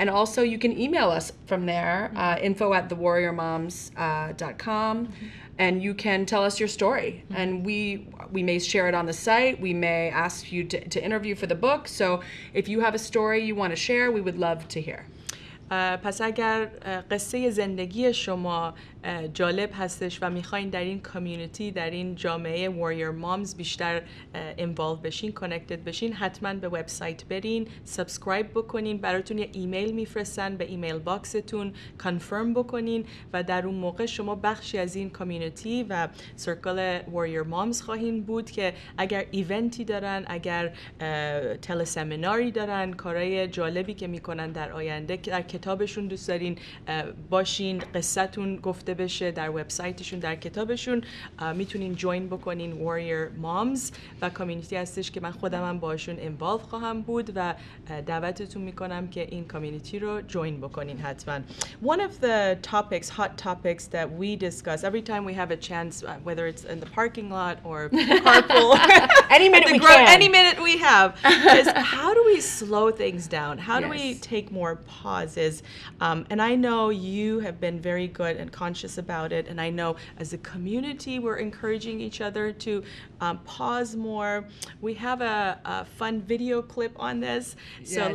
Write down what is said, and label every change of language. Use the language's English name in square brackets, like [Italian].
[English] And also you can email us from there, mm-hmm. info@thewarriormoms.com. Mm-hmm. And you can tell us your story. Mm-hmm. And we may share it on the site. We may ask you to interview for the book. So if you have a story you want to share, we would love to hear. [Persian] پس اگر قصه زندگی شما جالب هستش و میخواین در این کامیونیتی در این جامعه Warrior Moms بیشتر involved بشین connected بشین حتما به وبسایت برین سابسکرایب بکنین براتون یه ایمیل میفرستن به ایمیل باکستون کانفرم بکنین و در اون موقع شما بخشی از این کامیونیتی و سرکل Warrior Moms خواهین بود که اگر ایونتی دارن اگر تلسمیناری دارن کارهای جالبی که میکنن در آینده در کتابشون دوست دارین باشین قصتون گفت بشه در وبسایتشون در کتابشون میتونین جوین بکنین Warrior Moms و کامیونیتی هستش که من خودم هم باشون اینوالو خواهم بود و دعوتتون میکنم که این کامیونیتی رو جوین بکنین حتما [English] One of the topics hot topics that we discuss every time we have a chance whether it's in the parking lot or carpool any minute we have is how do we slow things down how do yes. we take more pauses and I know you have been very good and conscious conscious about it. And I know as a community, we're encouraging each other to pause more. We have a fun video clip on this. So yes.